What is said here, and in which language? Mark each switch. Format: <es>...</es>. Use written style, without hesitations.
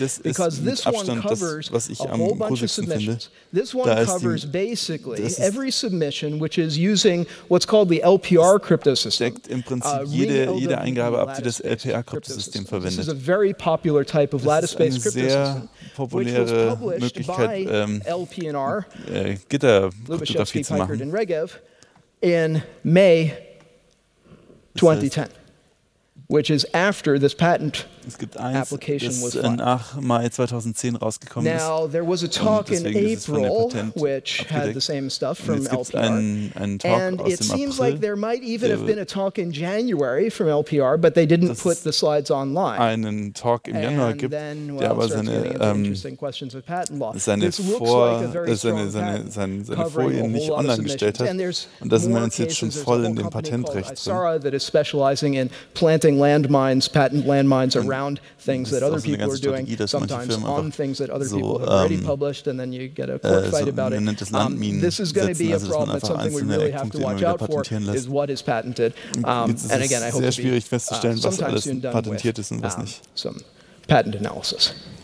<de>das ist mit Abstand das, was ich am gruseligsten finde.</de> <en>This one covers basically every submission which is using what's called the LPR cryptosystem.</en> <de>Deckt im Prinzip jede Eingabe ab, die das LPR-Kryptosystem verwendet.</de> <en>This is a very popular type of lattice-based cryptosystem,</en> <de>sehr populäre Möglichkeit, Gitterkryptographie zu machen.</de> <en>In May 2010, which is after this patent application was filed.</en> <de>Nach Mai 2010 rausgekommen ist.</de> <en>Now, there was a talk in April, which had the same stuff from LPR. And it seems like there might even have been a talk in January from LPR, but they didn't put the slides online.</en> <de>Einen Talk im Januar gibt, der aber seine seine Folien nicht online gestellt hat. Und da sind wir uns jetzt schon voll in dem Patentrecht drin.</de> <en>ISARA, that is specializing in planting landmines, patent landmines around things that other people are doing, sometimes on things that other people have already published, and then you get a court fight about it. This is going to be a problem, but something we really have to watch out for is what is patented. And again, I hope to be sometime soon done with some patent analysis.</en>